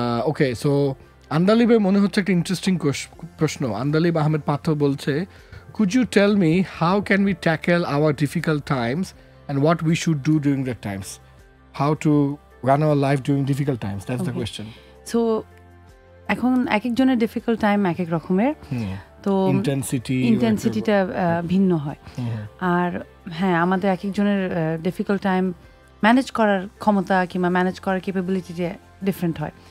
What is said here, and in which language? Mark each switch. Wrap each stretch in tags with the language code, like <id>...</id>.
<bn>ওকে, so আন্দালিবের মনে হচ্ছে একটা ইন্টারেস্টিং প্রশ্ন, আন্দালিব আহমেদ পাথর বলছে</bn> <en>could you tell me how can we tackle our difficult times and what we should do during that times? How to run our life during difficult times? That's okay. The question.</en> <bn>So, এখন এক একজনের difficult time এক এক রকমের, তো intensity ইনটেনসিটিটা ভিন্ন হয়। আর হ্যাঁ, আমাদের এক একজনের ডিফিকাল্ট টাইম ম্যানেজ করার ক্ষমতা কিংবা ম্যানেজ করার ক্যাপাবিলিটিটা ডিফারেন্ট হয়।</bn>